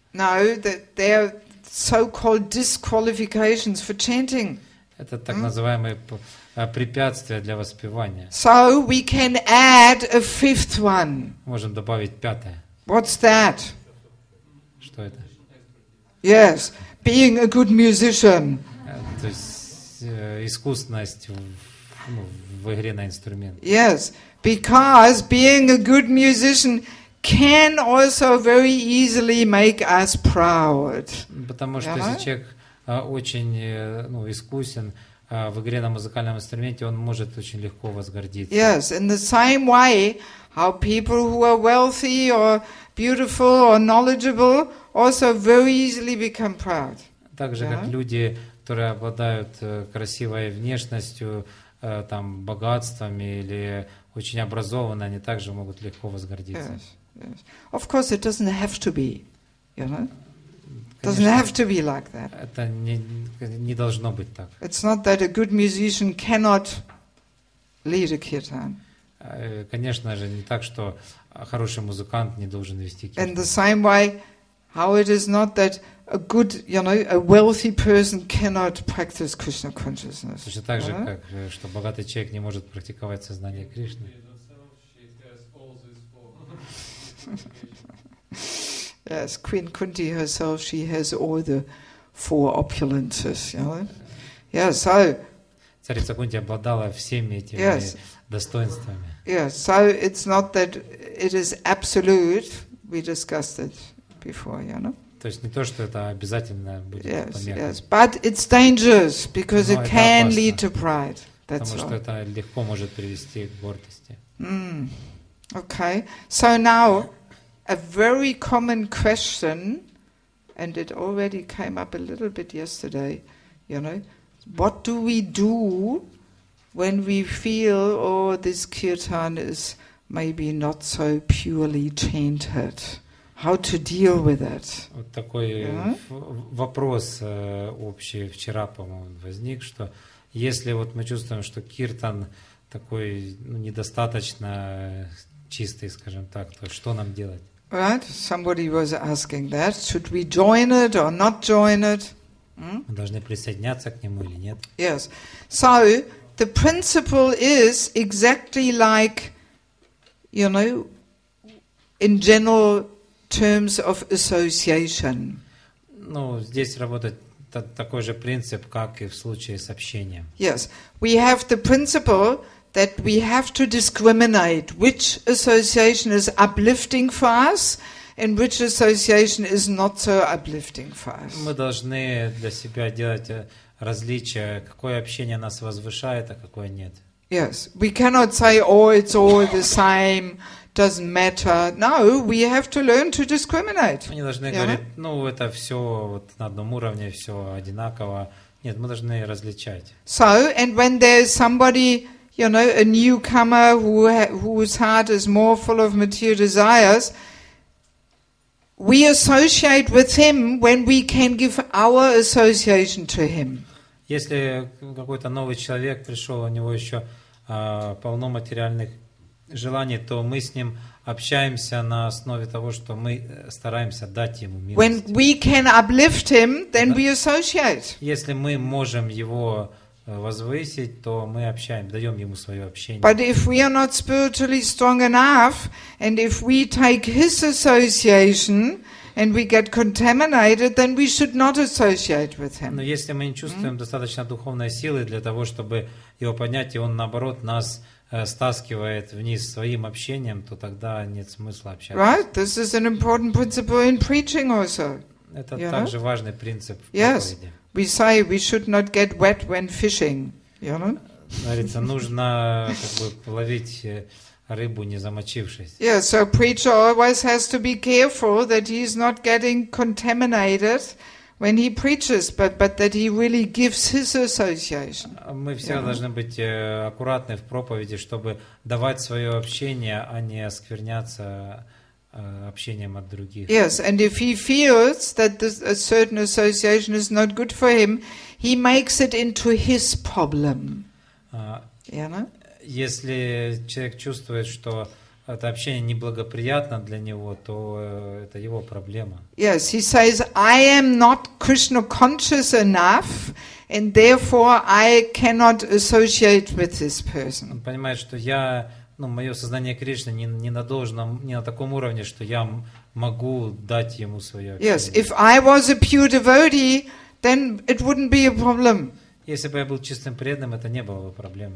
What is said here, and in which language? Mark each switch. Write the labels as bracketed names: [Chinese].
[English] No, they are so-called disqualifications for chanting. [Russian] Это так называемые препятствия для воспевания. [English] So we can add a fifth one. [Russian] Можем добавить пятое. [English] What's that? [Russian] Что это? [English] Yes, being a good musician. [Russian] То есть искусность в игре на инструмент. [English] Yes, because being a good musician can also very easily make us proud. [Russian] Потому что если человек очень искусен в игре на музыкальном инструменте, он может очень легко возгордиться. [English] Yes, in the same way, how people who are wealthy or beautiful or knowledgeable also very easily become proud. [Russian] Также как люди, которые обладают красивой внешностью, там, богатствами или очень образованные, они также могут легко возгордиться. [English] Yes, yes. Of course, it doesn't have to be, you know? Doesn't have to be like that. [Russian] Это не должно быть так. [English] It's not that a good musician cannot lead a kirtan. [Russian] Конечно же, не так, что хороший музыкант не должен вести kirtan. [English] And the same way, how it is not that a good, you know, a wealthy person cannot practice Krishna consciousness. [Russian] Точно так же, как что богатый человек не может практиковать сознание Кришны. [English] Yes, Queen Kunti herself, she has all the four opulences, you know. Yeah, so. [Russian] Царица Кунти обладала всеми этими [English] yes, [Russian] достоинствами. [English] Yes, so it's not that it is absolute. We discussed it before, you know. [Russian] То есть не то, что это обязательно будет померкнуть. [English] Yes, but it's dangerous because it can lead to pride. That's all. [Russian] Потому что это легко может привести к гордости. [English] Okay, so now. A very common question, and it already came up a little bit yesterday, you know, what do we do when we feel, oh, this kirtan is maybe not so purely tainted? How to deal with that? [Russian] Вот такой вопрос общий вчера, по-моему, возник, что если вот мы чувствуем, что киртан такой недостаточно чистый, скажем так, то что нам делать? [English] Right, somebody was asking that. Should we join it or not join it? [Russian] Мы должны присоединяться к нему или нет? [English] Yes. So the principle is exactly like, you know, in general terms of association. [Russian] Ну, здесь работает такой же принцип, как и в случае с общением. [English] Yes. We have the principle that we have to discriminate which association is uplifting for us and which association is not so uplifting for us. [Russian] Мы должны для себя делать различие, какое общение нас возвышает, а какое нет. [English] Yes, we cannot say, oh, it's all the same, doesn't matter. No, we have to learn to discriminate. [Russian] Мы не должны говорить, ну, это все вот на одном уровне, все одинаково. Нет, мы должны различать. [English] So, and when there's somebody, you know, a newcomer whose heart is more full of material desires, we associate with him when we can give our association to him. [Russian] Если какой-то новый человек пришел, у него еще полно материальных желаний, то мы с ним общаемся на основе того, что мы стараемся дать ему милость. [English] When we can uplift him, then we associate. [Russian] Если мы можем его возвысить, то мы общаем, даем ему свое общение. [English] But if we are not spiritually strong enough, and if we take his association and we get contaminated, then we should not associate with him. [Russian] Но если мы не чувствуем достаточно духовной силы для того, чтобы его понять, и он наоборот нас стаскивает вниз своим общением, то тогда нет смысла общаться. [English] Right, this is an important principle in preaching also. [Russian] Это также важный принцип в проповеди. [English] Yes. We say we should not get wet when fishing, you know? [Russian] Говорится, нужно как бы ловить рыбу, не замочившись. [English] Yeah, so preacher always has to be careful that he is not getting contaminated when he preaches, but that he really gives his association. [Russian] Мы все должны быть аккуратны в проповеди, чтобы давать свое общение, а не оскверняться общением от других. [English] Yes, and if he feels that this, a certain association is not good for him, he makes it into his problem. [Russian] Если человек чувствует, что это общение неблагоприятно для него, то это его проблема. [English] Yes, he says, I am not Krishna conscious enough, and therefore I cannot associate with this person. [Russian] Он понимает, что я мое сознание Кришны не на таком уровне, что я могу дать ему свое общение. [English] Yes, if I was a pure devotee, then it wouldn't be a problem. [Russian] Если бы я был чистым преданным, это не было бы проблемой.